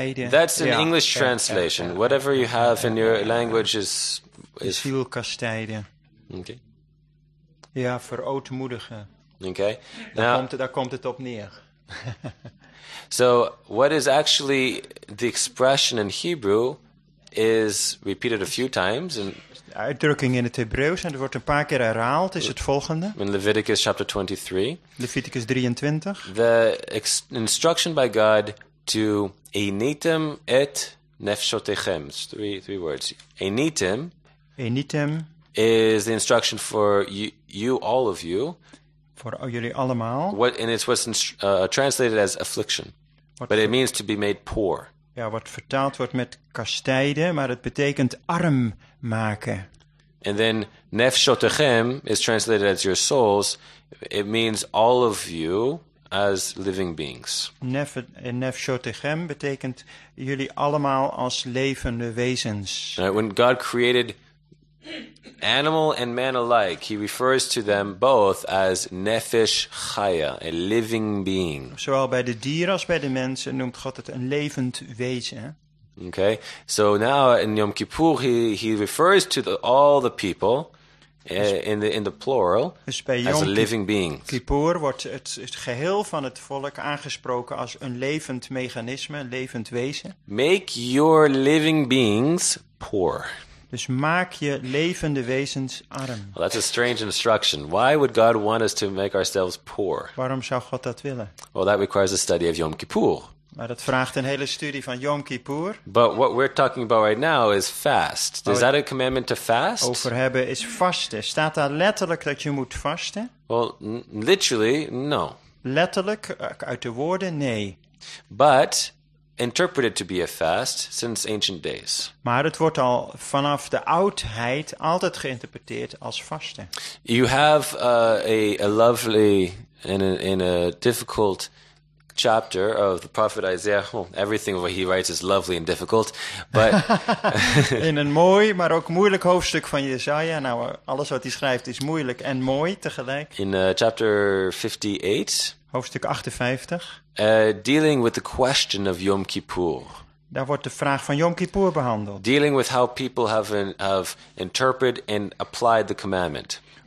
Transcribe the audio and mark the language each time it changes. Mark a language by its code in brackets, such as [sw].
[en] That's an English translation. Whatever you have in your language is... [nl] Ziel kastijden. [en] Okay. [nl] Ja, verootmoedigen. [en] Okay. [nl] Daar komt het op neer. [en] So, what is actually the expression in Hebrew is repeated a few times. [nl] De uitdrukking in het Hebreeuws, en het wordt een paar keer herhaald, is het volgende. [en] In Leviticus chapter 23. [nl] Leviticus 23. [en] The instruction by God to [he] enitem et nefshotechem. [en] It's three words. Enitem. [he] Enitem. [en] Is the instruction for you all of you. [nl] Voor jullie allemaal. [en] Translated as affliction. But it means to be made poor. [nl] Ja, wat vertaald wordt met kastijden, maar het betekent arm maken. [en] And then nefshotechem is translated as your souls. It means all of you as living beings. [nl] Nefshotechem betekent jullie allemaal als levende wezens. [en] When God created animal and man alike, he refers to them both as [he] nefesh chaya, [en] a living being. [nl] Zowel bij de dieren als bij de mensen noemt God het een levend wezen. [en] Okay, so now in Yom Kippur he refers to all the people in the plural as a living being. [nl] Yom Kippur wordt het geheel van het volk aangesproken als een levend mechanisme, een levend wezen. [en] Make your living beings poor. [nl] Dus maak je levende wezens arm. [en] Well, that's a strange instruction. Why would God want us to make ourselves poor? [nl] Waarom zou God dat willen? [en] Well, that requires a study of Yom Kippur. [nl] Maar dat vraagt een hele studie van Yom Kippur. [en] But what we're talking about right now is fast. Is that a commandment to fast? [nl] Over hebben is vasten. Staat daar letterlijk dat je moet vasten? [en] Well, literally, no. [nl] Letterlijk, uit de woorden, nee. [en] But interpreted to be a fast since ancient days. [nl] Maar het wordt al vanaf de oudheid altijd geïnterpreteerd als vasten. [en] You have a lovely in a difficult chapter of the prophet Isaiah. Well, everything what he writes is lovely and difficult, but [nl] in een mooi maar ook moeilijk hoofdstuk van Jesaja. Nou, alles wat hij schrijft is moeilijk en mooi tegelijk. [en] In chapter 58. [nl] Hoofdstuk 58. [en] Dealing with the question of Yom Kippur. [nl] Daar wordt de vraag van Yom Kippur behandeld. [en] Dealing with how people have interpreted and applied the commandment.